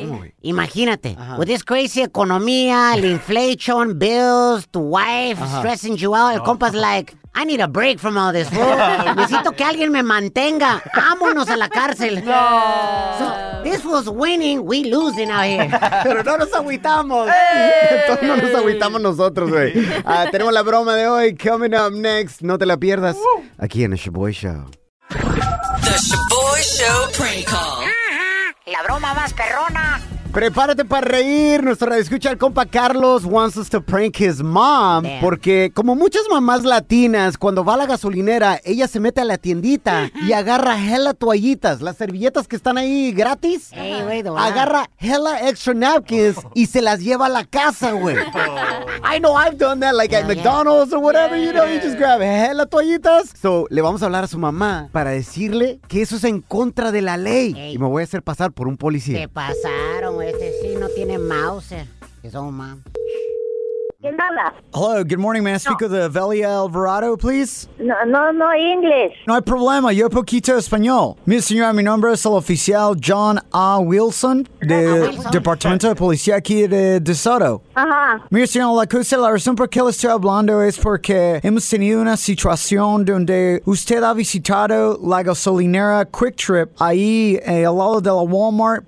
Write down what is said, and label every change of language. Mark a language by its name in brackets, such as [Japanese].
[English] Oh, imagínate, with this crazy economía, el inflation, bills, tu wife stressing you out, el compa's like, I need a break from all this, fool. [Spanish] Necesito que alguien me mantenga. Vámonos a la cárcel. No. [English] So, this was winning, we losing out here. [Spanish] Pero no nos agüitamos. Hey. No nos agüitamos nosotros, güey. Tenemos la broma de hoy coming up next. No te la pierdas aquí en el Shaboy Show. [English] The Shaboy Show prank call. [Spanish] La broma más perrona. Prepárate para reír. Nuestro radioescucha, el compa Carlos, wants us to prank his mom. [English] Damn. [Spanish] Porque como muchas mamás latinas, cuando va a la gasolinera, ella se mete a la tiendita y agarra hella toallitas, las servilletas que están ahí gratis. [English] Hey, wait, [Spanish] agarra hella extra napkins y se las lleva a la casa, güey. Oh. [English] I know I've done that, like at McDonald's or whatever, you just grab hella toallitas. [Spanish] So, le vamos a hablar a su mamá para decirle que eso es en contra de la ley. Hey. Y me voy a hacer pasar por un policía. ¿Qué pasaron? Este sí no tiene mouse. Es un mam. [English] Hello, good morning, may I speak with Velia Alvarado, please? No, English. [Spanish] No hay problema, yo poquito español. Mi señora, mi nombre es el oficial John A. Wilson, de Departamento de Policía aquí de DeSoto. Ajá. Mi señora, la cosa, la razón por qué le estoy hablando es porque hemos tenido una situación donde usted ha visitado la gasolinera Quick Trip ahí al lado de la Walmart.